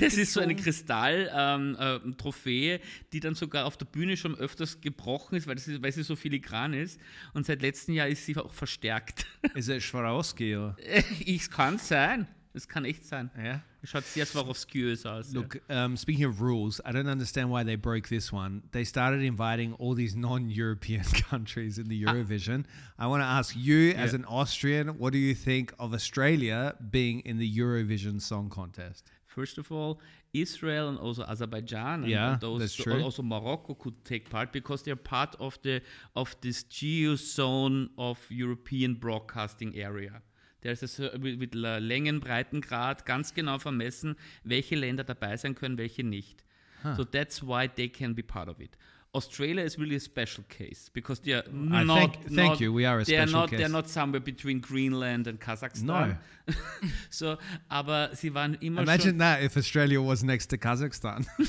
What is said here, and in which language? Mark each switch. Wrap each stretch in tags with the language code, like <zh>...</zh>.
<de>Das ist so eine Kristall-Trophäe, die dann sogar auf der Bühne schon öfters gebrochen ist, weil sie so filigran ist. Und seit letztem Jahr ist sie auch verstärkt. Ist er Swarovski, oder? Es kann sein. Es kann echt sein. Ja. Es schaut sehr Swarovskiös aus.</de> <en>Look, speaking of rules, I don't understand why they broke this one. They started inviting all these non-European countries in the Eurovision. I want to ask you, as an Austrian, what do you think of Australia being in the Eurovision Song Contest? First of all, Israel and also Azerbaijan and also Morocco could take part because they're part of this geo-zone of European broadcasting area.</en> <de>Der ist mit Längen, Breitengrad ganz genau vermessen, welche Länder dabei sein können, welche nicht. Huh.</de> <en>So that's why they can be part of it. Australia is really a special case because they are not. Thank you. We are a special case. They are not somewhere between Greenland and Kazakhstan. No.</en> <de>So, aber sie waren immer.</de> <en>Imagine that if Australia was next to Kazakhstan.</en>